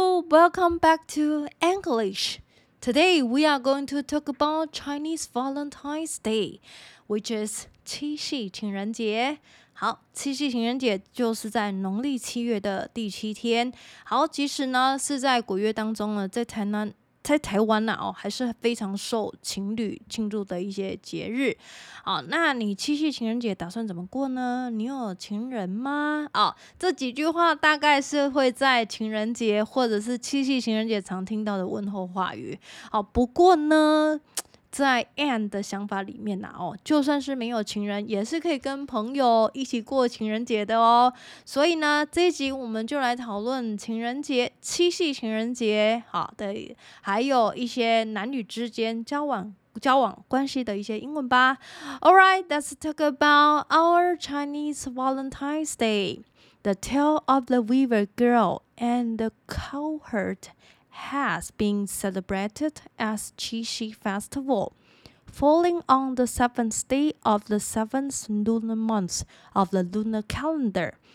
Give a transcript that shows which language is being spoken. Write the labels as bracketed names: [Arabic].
[English] Welcome back to English. Today, we are going to talk about Chinese Valentine's Day, which is 七夕情人节。 [Chinese] 好，七夕情人节就是在农历七月的第七天。好，即使呢是在古月当中呢，在台湾呢、还是非常受情侣庆祝的一些节日。好，那你七夕情人节打算怎么过呢？你有情人吗？这几句话大概是会在情人节或者是七夕情人节常听到的问候话语。好，不过呢，在 Anne 的想法里面就算是没有情人，也是可以跟朋友一起过情人节的哦。所以呢，这一集我们就来讨论情人节、七夕情人节，好的，还有一些男女之间交往关系的一些英文吧。 [English] All right, let's talk about our Chinese Valentine's Day, the tale of the Weaver Girl and the Cowherd. Has been celebrated as Qixi Festival, falling on the seventh day of the seventh lunar month of the lunar calendar.